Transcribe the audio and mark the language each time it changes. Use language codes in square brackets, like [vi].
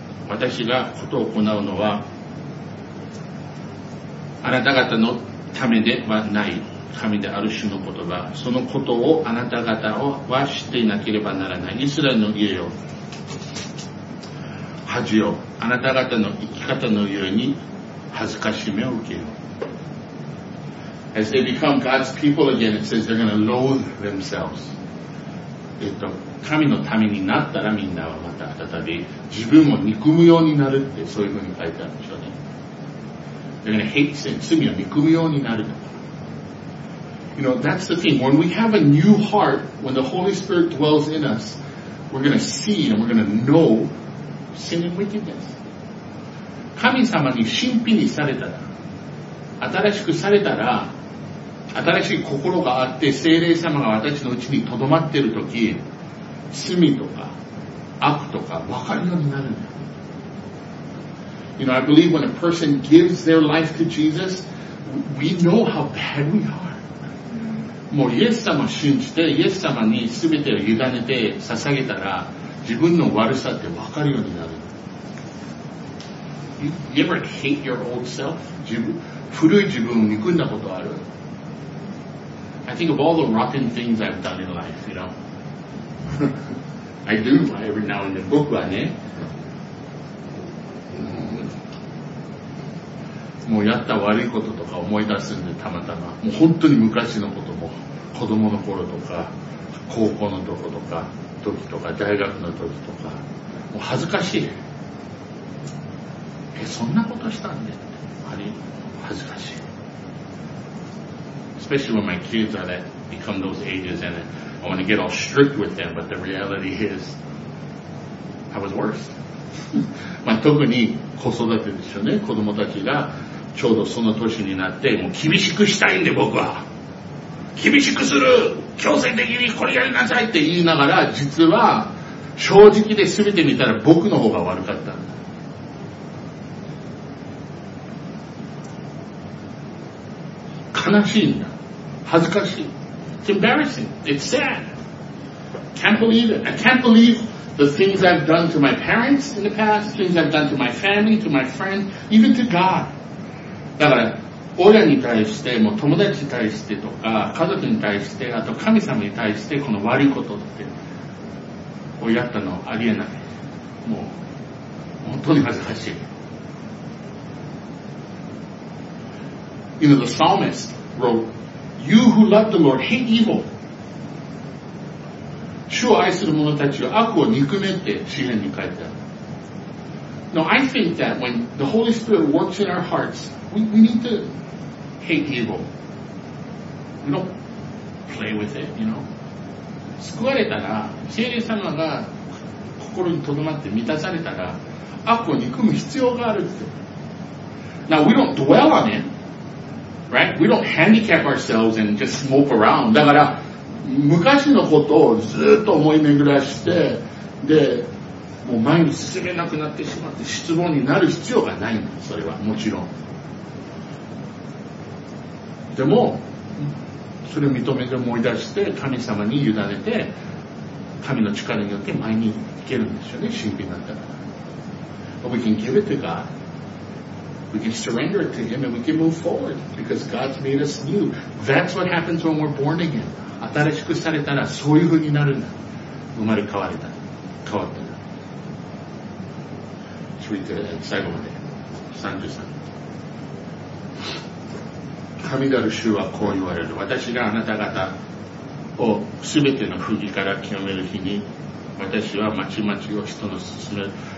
[ja] 私がことを行うのは、あなた方のためではない、神である主の言葉。そのことをあなた方は知っていなければならない。イスラエルの家よ、恥よ、あなた方の生き方のように、恥ずかしめを受ける。 [en] As they become God's people again, it says they're going to loathe themselves. [ja] 神の民になったらみんなはまた再び自分を憎むようになるって、そういうふうに書いてあるんでしょうね。 [en] They're going to hate sin, [ja] 罪を憎むようになる。 [en] You know, that's the thing. When we have a new heart, when the Holy Spirit dwells in us, we're going to see and we're going to know sin and wickedness. [ja] 神様に新品にされたら、新しくされたら、新しい心があって聖霊様が私のうちに留まっている時、罪とか悪とか分かるようになるんだ。 [en] You know, I believe when a person gives their life to Jesus, we know how bad we are. [ja] もうイエス様を信じてイエス様に全てを委ねて捧げたら自分の悪さって分かるようになる。 [en] You ever hate your old self? [ja] 古い自分を憎んだことある? [en] I think of all the rotten things I've done in life, you know. I do, every now and then. [ja] 僕はね、もうやった悪いこととか思い出すんで、たまたま。もう本当に昔のことも、子供の頃とか、高校のとことか、時とか、大学の時とか、もう恥ずかしい。そんなことしたんで、あれ恥ずかしい。 [en] Especially when my kids are that, become those ages and I want to get all strict with them, but the reality is, I was worse. [ja] まあ特に子育てでしょうね。子供たちがちょうどその年になって、もう厳しくしたいんで僕は。厳しくする強制的にこれやりなさいって言いながら、実は正直で全て見たら僕の方が悪かった。悲しいんだ。恥ずかしい。 [en] It's embarrassing. It's sad. Can't believe it. I can't believe the things I've done to my parents in the past, things I've done to my family, to my friend, even to God. [ja] だから、親に対しても友達に対してとか、家族に対して、あと神様に対してこの悪いことって、をやったのありえない。もう、本当に恥ずかしい。 [en] You know, the psalmist wrote, You who love the Lord, hate evil. [ja] 主を愛する者たちは悪を憎めって詩篇に書いてある。 [en] Now, I think that when the Holy Spirit works in our hearts, we need to hate evil. We don't play with it, you know. [ja] 救われたら、聖霊様が心に留まって満たされたら、悪を憎む必要があるって。 [en] Now, we don't dwell on it. Right? We don't handicap ourselves and just smoke around. [ja] だから、昔のことをずっと思い巡らして、で、もう前に進めなくなってしまって失望になる必要がないの、それは、もちろん。でも、それを認めて思い出して、神様に委ねて、神の力によって前に行けるんですよね、神秘になったら。 [en] But we can give it to God. We can surrender it to Him and we can move forward because God's made us new. That's what happens when we're born again. [ja] 新しくされたらそういう風になるんだ。生まれ変われた。変わった。続いて最後まで。33。神である主はこう言われる。私があなた方を全ての不義から清める日に、私は町々を人の進める。